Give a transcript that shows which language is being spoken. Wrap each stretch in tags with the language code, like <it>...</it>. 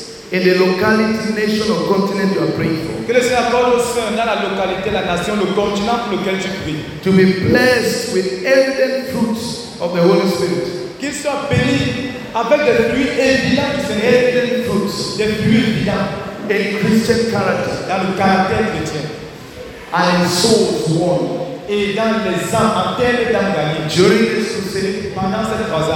<en>In the locality, nation, or continent you are praying for.</en> <fr>Que le Seigneur accorde aux saints dans la localité, la nation, le continent pour lequel tu pries.</fr> <en>To be blessed with evident fruits of the Holy Spirit.</en> <fr>Qu'ils soient bénis avec des fruits évidents qui sont</fr> <en>evident fruits.</en> <fr>Des fruits évidents.</fr> <en>In Christian character.</en> <fr>Dans le caractère chrétien.</fr> <en>And in souls won.</en> <fr>Et dans les âmes, en terre et dans gagnées.</fr> <en>During this crusade.</en> <fr>Pendant cette croisade.</fr>